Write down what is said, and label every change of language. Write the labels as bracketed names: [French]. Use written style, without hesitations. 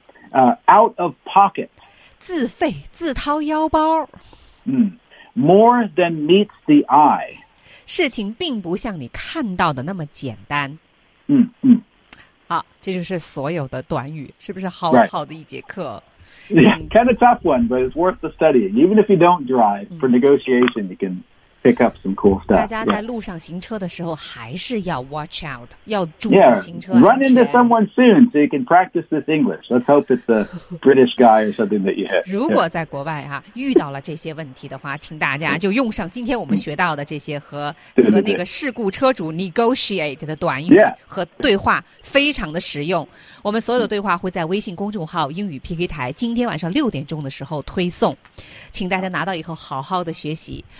[English] out of pocket， [Chinese] 自费、自掏腰包。 [English] More than meets the eye. [Chinese] 事情并不像你看到的那么简单。好，这就是所有的短语，是不是好好的一节课 [English] ？Yeah, kind of tough one, but it's worth the studying. Even if you don't drive for negotiation, you can pick up some cool stuff. [Chinese] 大家在路上行车的时候还是要 [English] watch out, [Chinese] 要注意行车安全。 [English] Yeah, run into someone soon so you can practice this English. Let's hope it's a British guy or something that you hit. [Chinese] 如果在国外啊遇到了这些问题的话，请大家就用上今天我们学到的这些和那个事故车主 negotiate 的短语和对话，非常的实用。我们所有的对话会在微信公众号英语 PK 台今天晚上6点钟的时候推送，请大家拿到以后好好的学习。